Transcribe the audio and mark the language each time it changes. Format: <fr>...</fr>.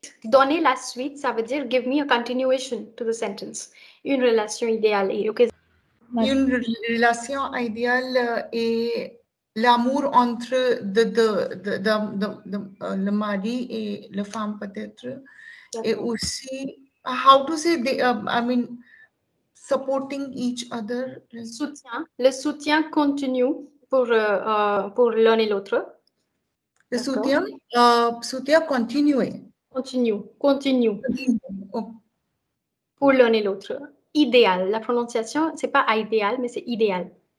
<fr>Donner la suite, ça veut dire</fr> <en>give me a continuation to the sentence.</en> <fr>Une relation idéale est, okay. Une relation idéale est l'amour entre le mari et la femme peut-être. Okay. Et aussi,</fr> <en>how to say, supporting each other.</en> <fr>Soutien, le soutien continu pour l'un et l'autre. Le soutien, soutien continué. Continue. Pour l'un et l'autre. Idéal. La prononciation, ce n'est pas idéal, mais c'est idéal.</fr>